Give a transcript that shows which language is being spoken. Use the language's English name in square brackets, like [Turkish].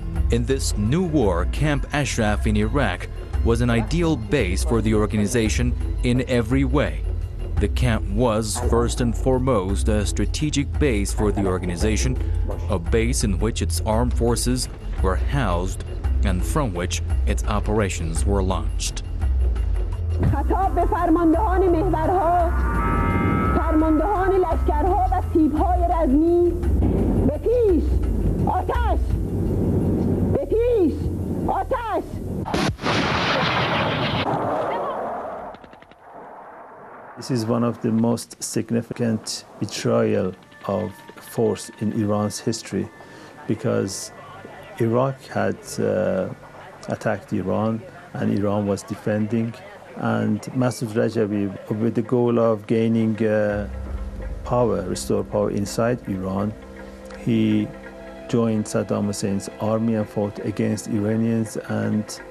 [English] In this new war, Camp Ashraf in Iraq was an ideal base for the organization in every way. The camp was, first and foremost, a strategic base for the organization, a base in which its armed forces were housed and from which its operations were launched. [Persian] خطاب به فرماندهان محورها، فرماندهان لشکرها و تیپهای رزمی، به پیش آتش، به پیش آتش. [English] This is one of the most significant betrayal of force in Iran's history, because Iraq had attacked Iran, and Iran was defending. And Masoud Rajavi, with the goal of gaining power, restore power inside Iran, he joined Saddam Hussein's army and fought against Iranians. And